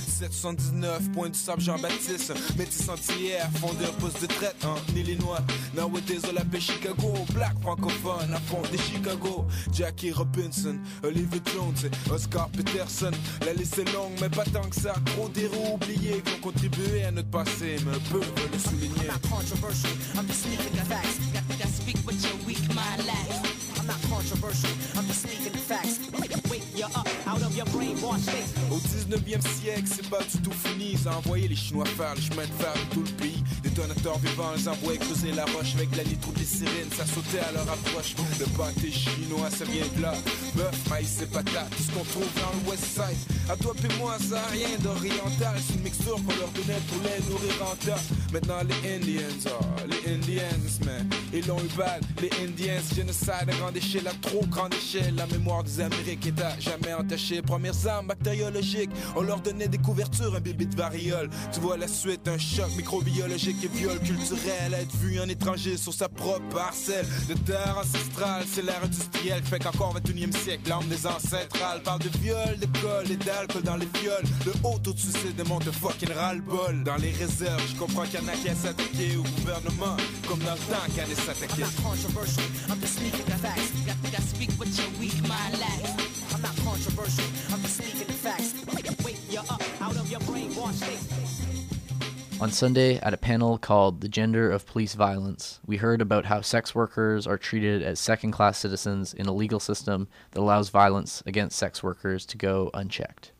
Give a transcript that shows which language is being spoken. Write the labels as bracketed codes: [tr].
[fr] 1779, point du sable Jean-Baptiste. Métis antillère, fondeur, poste de traite en Illinois. [en] Nowadays, [fr] on l'appelle Chicago. Black francophone à fond des Chicago. Jackie Robinson, Olivier Jones, Oscar Peterson. La liste est longue, mais pas tant que ça. Trop d'héros oubliés qui ont contribué à notre passé. Mais peu veulent le souligner. [en] I'm not controversial, I'm just speaking the facts. I think I speak with your weak mind lacks. I'm not controversial, I'm just speaking the facts. [fr] Au 19e siècle, c'est pas du tout fini. Ils ont envoyé les Chinois faire le chemin de fer de tout le pays. Détonateurs vivants, ils envoyaient creuser la roche avec la nitroglycérine. Ça sautait à leur approche. Le pâté chinois, ça vient de là. Bœuf, maïs et patates, tout ce qu'on trouve dans le West Side. À toi et moi, ça a rien d'oriental. C'est une mixture qu'on leur donnait pour les nourrir en tas. Maintenant, les Indians, oh, les Indians, man. Ils l'ont eu bad, les Indians. Genocide à grande échelle, à trop grande échelle. La mémoire des Amériques est à jamais entachée. Premières armes bactériologiques, on leur donnait des couvertures, un bibi de variole. Tu vois la suite, un choc microbiologique et viol culturel. Être vu un étranger sur sa propre parcelle de terre ancestrale, c'est l'ère industrielle qui fait qu'encore 21e siècle, l'âme des ancêtrales parle de viol, d'école et d'alcool dans les fioles. Le haut taux de suicide démontre fucking ras-le-bol. Dans les réserves, je comprends qu'il y en a qui a s'attaqué au gouvernement, comme dans le temps qu'il allait s'attaquer. [en] I'm not controversial, I'm just speaking the facts. I think I speak with your weak mind lacks. I'm not controversial, I'm just speaking the facts. Wait, you're up, out of your brainwashed state. On Sunday, at a panel called The Gender of Police Violence, we heard about how sex workers are treated as second-class citizens in a legal system that allows violence against sex workers to go unchecked.